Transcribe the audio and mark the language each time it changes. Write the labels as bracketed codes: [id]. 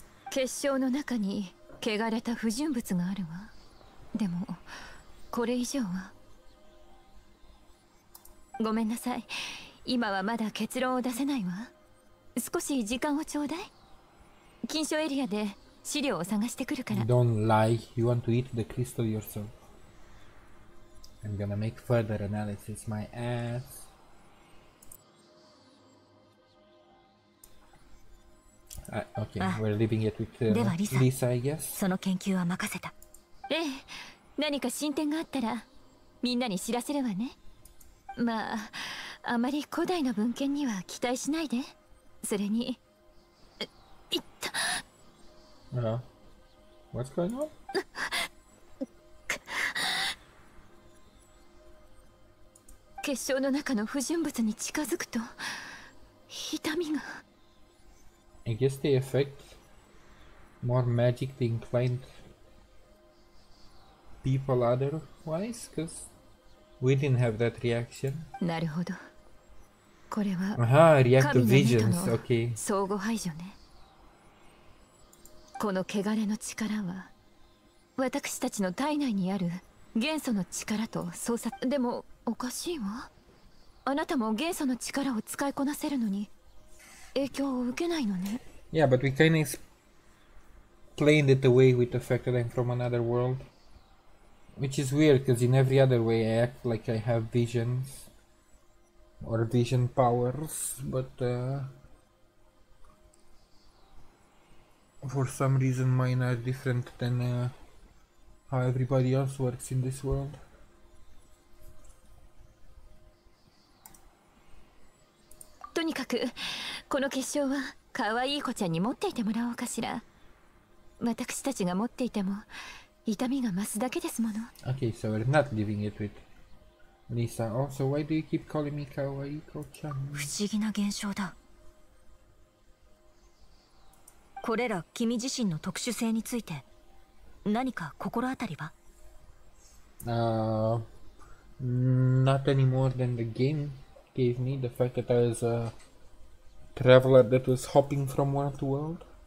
[ja] 結晶の中に汚れた不純物があるわ。でもこれ以上は。ごめんなさい。今はまだ結論を出せないわ。少し時間をちょうだい。禁書エリアで資料を探してくるから。 [en] Don't lie. You want to eat the crystal yourself. I'm gonna make further analysis, my ass. Okay, we're leaving it with Lisa, I guess. [ja] その研究は任せた。ええ、何か進展があったらみんなに知らせるわね。まあ、あまり古代の文献には期待しないで。それに、いった。 [en] What's going on? [ja] 結晶の中の不純物に近づくと、痛みが。 [en] I guess they affect more magically inclined people otherwise, because we didn't have that reaction. [ja] なるほど。これは [en] reactive visions. Okay. [ja] 相互排除ね。この汚れの力は私たちの体内にある元素の力と操作。でもおかしいわ。あなたも元素の力を使いこなせるのに影響を受けないのね。 [en] Yeah, but we kind of explained it away with affected them from another world. Which is weird because in every other way I act like I have visions or vision powers, but for some reason mine are different than how everybody else works in this world. [ja] とにかくこの結晶は可愛い子ちゃんに持っていてもらおうかしら。私たちが持っていても痛みが増すだけですもの。 [en] Okay, so we're not leaving it with Lisa. Also, why do you keep calling me [ja] kawaii ko-chan? 不思議な現象だ。これら君自身の特殊性について何か心当たりは？ [en] Not any more than the game gave me. The fact that I was a traveler that was hopping from world to world.